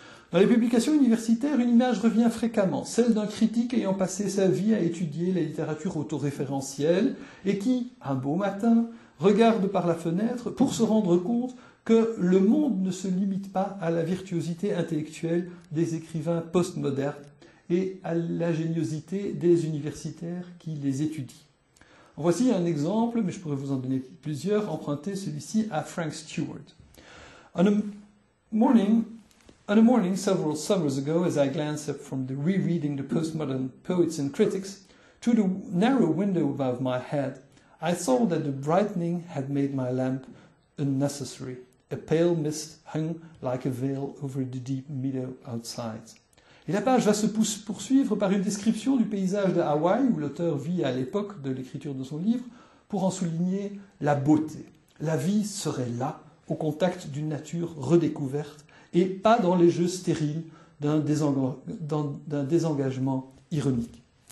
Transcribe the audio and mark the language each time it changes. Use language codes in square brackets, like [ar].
[fr] Dans les publications universitaires, une image revient fréquemment, celle d'un critique ayant passé sa vie à étudier la littérature autoréférentielle et qui, un beau matin, regarde par la fenêtre pour se rendre compte que le monde ne se limite pas à la virtuosité intellectuelle des écrivains postmodernes et à l'ingéniosité des universitaires qui les étudient. Voici un exemple, mais je pourrais vous en donner plusieurs, emprunté celui-ci à Frank Stewart. [en] On a morning several summers ago, as I glanced up from the rereading the postmodern poets and critics, through the narrow window above my head, I saw that the brightening had made my lamp unnecessary. A pale mist hung like a veil over the deep meadow outside. [fr] Et la page va se poursuivre par une description du paysage de Hawaï, où l'auteur vit à l'époque de l'écriture de son livre, pour en souligner la beauté. La vie serait là, au contact d'une nature redécouverte, et pas dans les jeux stériles d'un désengagement ironique.